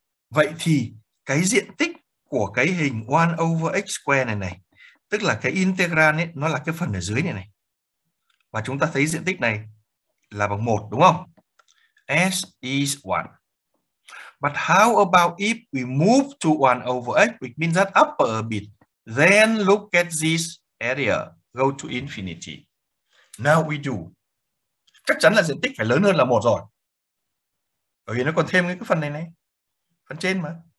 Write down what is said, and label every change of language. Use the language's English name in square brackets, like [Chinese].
[Vietnamese] Vậy thì cái diện tích của cái hình 1 over x squared này này, tức là cái integrand ấy, nó là cái phần ở dưới này này. Và chúng ta thấy diện tích này là bằng 1, đúng không? [English] S is 1. But how about if we move to 1 over x, which means that upper a bit, then look at this area, go to infinity. Now we do. [Vietnamese] Chắc chắn là diện tích phải lớn hơn là 1 rồi. Bởi vì nó còn thêm cái phần này này, phần trên mà.